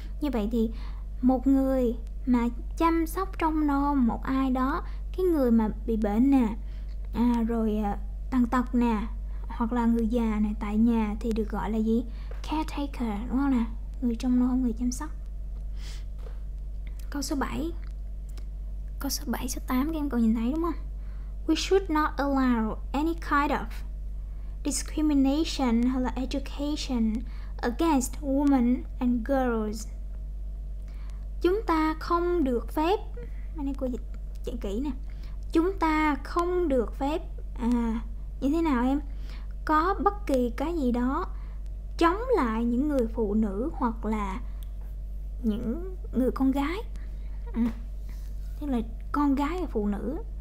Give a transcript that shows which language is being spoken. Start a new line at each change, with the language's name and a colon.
Vietnamese: Như vậy thì một người mà chăm sóc trông nom một ai đó, cái người mà bị bệnh nè, rồi tàn tật nè, hoặc là người già nè tại nhà thì được gọi là gì? Caretaker đúng không nè? Người trông nom, người chăm sóc. Câu số 7. Câu số 7, số 8 các em còn nhìn thấy đúng không?
English: We should not allow any kind of discrimination
Vietnamese: hay là
English: education against women and girls.
Vietnamese: Chúng ta không được phép, anh em cô dịch chuyện kỹ nè, chúng ta không được phép như thế nào em, có bất kỳ cái gì đó chống lại những người phụ nữ hoặc là những người con gái, tức là con gái và phụ nữ.